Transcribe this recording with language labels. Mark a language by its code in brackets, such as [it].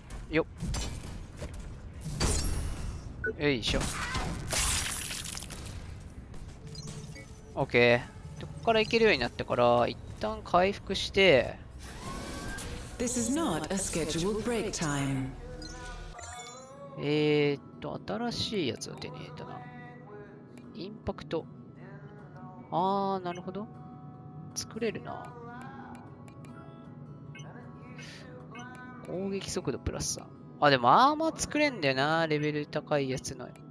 [ja] よっ。よいしょ。オッケー。どこから行けるようになってから、一旦回復して。 [en] This is not a scheduled break time. [ja] 新しいやつを手に入れたな。インパクト。あー、なるほど。作れるな。攻撃速度プラス3。あ、でもアーマー作れんだよな、レベル高いやつの。